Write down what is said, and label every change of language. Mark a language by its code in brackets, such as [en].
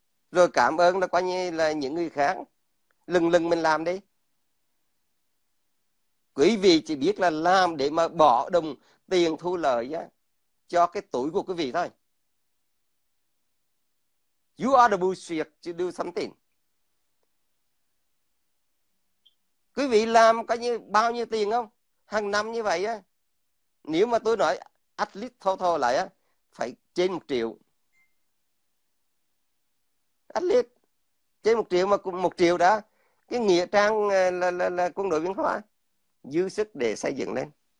[vi] Rồi cảm ơn là coi như là những người khác. Lần lần mình làm đi. Quý vị chỉ biết là làm để mà bỏ đồng tiền thu lợi á, cho cái túi của quý vị thôi. [en] You are the bullshit to do something. [vi] Quý vị làm coi như bao nhiêu tiền không? Hàng năm như vậy á, nếu mà tôi nói [en] at least [vi] total lại á, phải trên 1 triệu. [en] At least [vi] trên 1 triệu, mà 1 triệu đó, cái nghĩa trang là quân đội Biên Hòa dư sức để xây dựng lên.